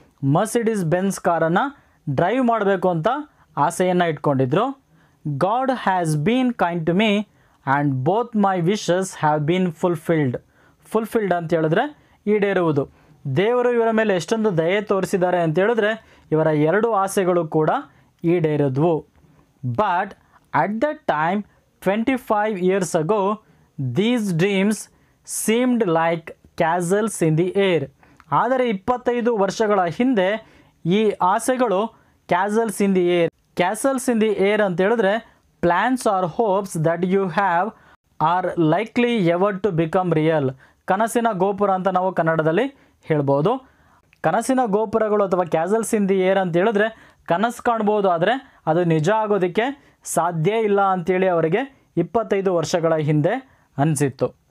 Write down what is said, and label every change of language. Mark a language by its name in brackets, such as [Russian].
[Kannada] Mercedes Benz ಕಾರನ್ನು drive ಮಾಡಬೇಕು ಅಂತ ಆಸೆಯನ್ನು ಇಟ್ಕೊಂಡಿದ್ರು. [English] God has been kind to me and both my wishes have been fulfilled. [Kannada] Fulfilled ಅಂತ ಹೇಳಿದ್ರೆ ಈಡೇರುವುದು. ದೇವರು ಇವರ ಮೇಲೆ ಎಷ್ಟೊಂದು ದಯೆ ತೋರಿಸಿದ್ದಾರೆ ಅಂತ ಹೇಳಿದ್ರೆ ಇವರ ಎರಡು ಆಸೆಗಳು ಕೂಡ ಈಡೇರಿದ್ವು. [English] But at that time 25 years ago, these dreams seemed like castles in the air. [Kannada] ಆದರೆ 25 ವರ್ಷಗಳ ಹಿಂದೆ ಈ ಆಸೆಗಳು [English] Castles in the air. Castles in the air [Kannada] ಅಂತ ಹೇಳಿದ್ರೆ [English] Plans are hopes that you have are likely ever to become real. [Kannada] ಕನಸಿನ ಗೋಪುರ ಅಂತ ನಾವು ಕನ್ನಡದಲ್ಲಿ ಹೇಳ್ಬೋದು. ಕನಸಿನ ಗೋಪುರಗಳು ಅಥವಾ [English] castles in the air [Kannada] ಅಂತ ಹೇಳಿದ್ರೆ ಕನಸು ಕಾಣ್ಬೋದು, ಆದರೆ ಅದು ನಿಜ ಆಗೋದಕ್ಕೆ ಸಾಧ್ಯ ಇಲ್ಲ ಅಂತೇಳಿ ಅವರಿಗೆ 25 ವರ್ಷಗಳ ಹಿಂದೆ ಅನಿಸಿತ್ತು.